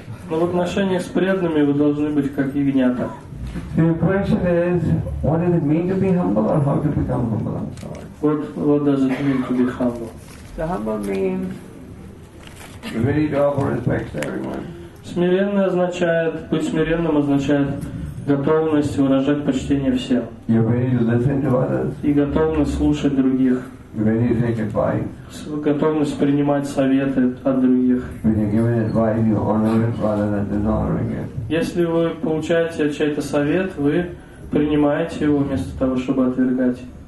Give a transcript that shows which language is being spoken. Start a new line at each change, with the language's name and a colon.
Russian: Но в отношении с преданными вы должны быть как ягнята.
English: The question is, what does it mean to be humble, or how to become humble? What does it mean to be humble? The humble means ready to offer respects to everyone.
Russian: Смиренный означает, быть смиренным означает готовность выражать почтение всем.
English: You're ready to listen to others.
Russian: И готовность слушать других.
English: Ready to take advice.
Russian: Готовность принимать советы от других.
English: When you're giving advice, you honor it rather than dishonoring it.
Russian: Если вы получаете чей-то совет, вы принимаете его вместо того, чтобы отвергать.